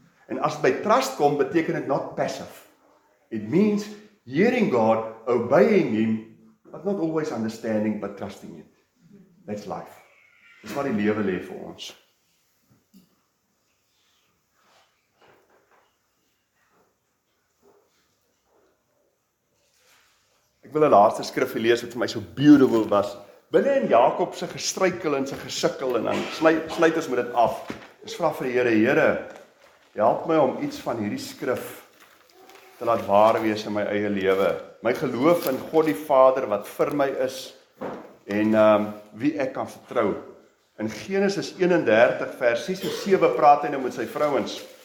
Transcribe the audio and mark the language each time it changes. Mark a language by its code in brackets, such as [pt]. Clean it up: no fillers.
[af] En as het by trust kom, beteken het [en] not passive. It means hearing God, obeying Him, but not always understanding, but trusting Him. That's life. [af] Dis wat die lewe lê vir ons. Ek wil 'n laaste skrif lees wat vir my so beautiful was. Binne in Jakob se gestruikel en se gesukkel en dan sluit ons met dit af. Ons vra vir die Here, Here, help my om iets van hierdie skrif te laat waar wees in my eie lewe. My geloof in God die Vader wat vir my is en wie ek kan vertrou. In Genesis 31 vers 6 en 7 praat hy nou met sy vrouens.